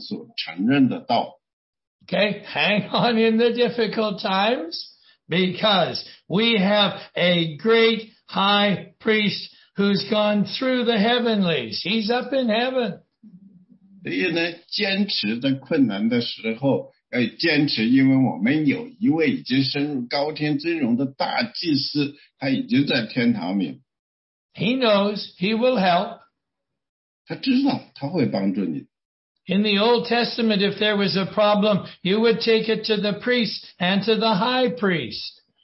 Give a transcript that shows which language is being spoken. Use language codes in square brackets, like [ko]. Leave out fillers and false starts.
[zh] 所以第十四节就是说,我们既然有一位已经升入高天尊荣的大祭司,就是神的儿子耶稣,便当持定所承认的道。 [en] Okay, hang on in the difficult times, because we have a great high priest who's gone through the heavenlies. He's up in heaven. [zh] 所以呢,坚持在困难的时候, 坚持，因为我们有一位已经升入高天尊荣的大祭司，他已经在天堂里。 [en] He knows he will help. [zh] 他知道，他会帮助你。 [en] In the Old Testament, if there was a problem, you would take it to the priest and to the high priest.